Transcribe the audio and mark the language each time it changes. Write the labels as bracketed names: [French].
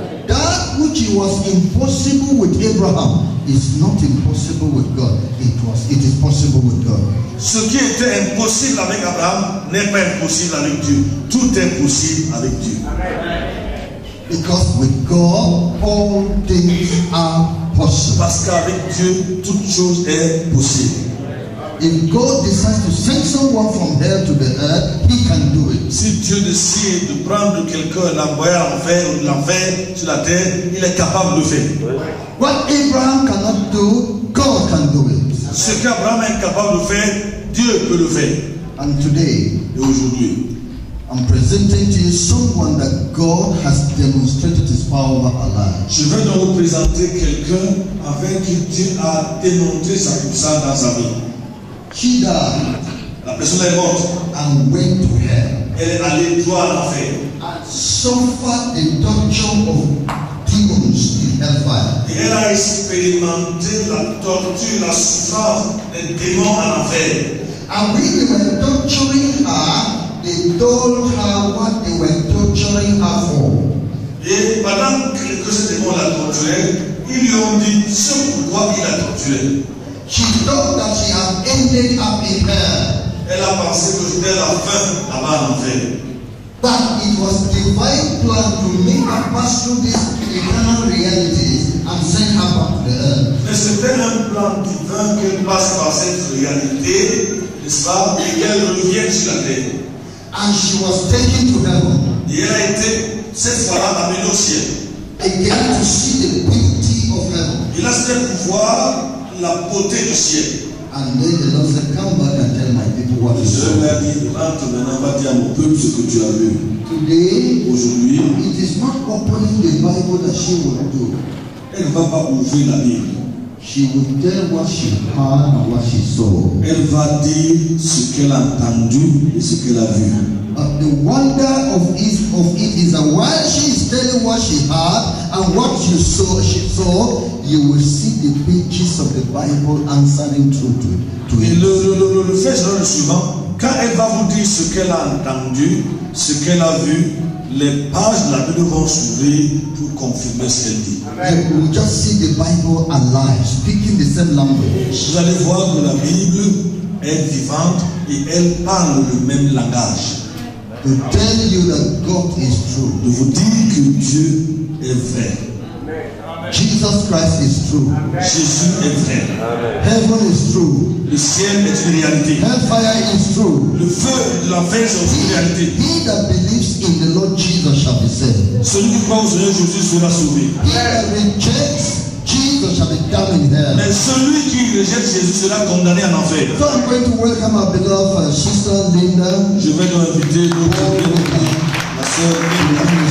[English] That which was impossible with Abraham is not impossible with God. It is possible with God. [French] Ce qui était impossible avec Abraham n'est pas impossible avec Dieu. Tout est possible avec Dieu. [English] Because with God, all things are possible. [French] Parce qu'avec Dieu, toute chose est possible. [English] If God decides to send someone from hell to the earth, he can do it. [French] Si Dieu décide de prendre quelqu'un et l'envoyer en enfer ou l'enfer sur la terre, il est capable de le faire. [English] What Abraham cannot do, God can do it. [French] Ce qu'Abraham est capable de faire, Dieu peut le faire. [English] And today, [French] et aujourd'hui, [English] I'm presenting to you someone that God has demonstrated his power alive. [French] Je vais donc vous présenter quelqu'un avec qui Dieu a démontré sa puissance dans sa vie. [English] She died. [French] La personne est morte. [English] And went to hell. [French] Elle est allée droit à l'enfer. [English] And suffered the torture of demons in hellfire. [French] Et elle a expérimenté la torture, la souffrance des démons à l'enfer. [English] And when they were torturing her, they told her what they were torturing her for. [French] Et pendant que ces démons la torturaient, ils lui ont dit ce pourquoi ils la torturaient. [English] She thought that she had ended up in hell. [French] Elle a pensé que c'était la fin avant l'enfer. [English] But it was divine plan to make her pass through this eternal reality and send her back to the earth. [French] Mais c'était un plan divin qu'elle passe par cette réalité, n'est-ce pas, et qu'elle revienne sur la terre. [English] And she was taken to heaven. [French] Et elle a été cette fois-là amenée au ciel. [English] Again to see the beauty of heaven. [French] Et là, c'était pour voir la beauté du ciel. [English] And then the Lord said, come back and tell my people what is so. [French] Je lui ai dit, va dire à mon peuple ce que tu as vu. [English] Today, [French] aujourd'hui, [English] it is not opening the Bible that she will do. [French] Elle ne va pas ouvrir la Bible. [English] She will tell what she heard and what she saw. [French] Elle va dire ce qu'elle a entendu et ce qu'elle a vu. [English] But the wonder of it is that while she is telling what she heard and what she saw, you will see the pages of the Bible answering to it. [French] Le fait sera le suivant. Quand elle va vous dire ce qu'elle a entendu, ce qu'elle a vu, les pages de la Bible vont s'ouvrir pour confirmer ce qu'elle dit. Amen. [English] You will just see the Bible alive, speaking the same language. [French] Vous allez voir que la Bible est vivante et elle parle le même langage. [English] To tell you that God is true. [French] De vous dire que Dieu est vrai. Amen. [English] Jesus Christ is true. [French] Amen. Jésus est vrai. Amen. [English] Heaven is true. [French] Le ciel est une réalité. [English] Hellfire is true. [French] Le feu de l'enfer est une réalité. [English] He that believes in the Lord Jesus shall be saved. [French] Celui qui croit au Seigneur Jésus sera sauvé. [English] He that rejects Jesus shall be damned in hell. [French] Mais celui qui rejette Jésus sera condamné en enfer. [English] So I'm going to welcome our beloved sister Linda. [French] Je vais donc inviter notre bien-aimée, ma sœur Linda.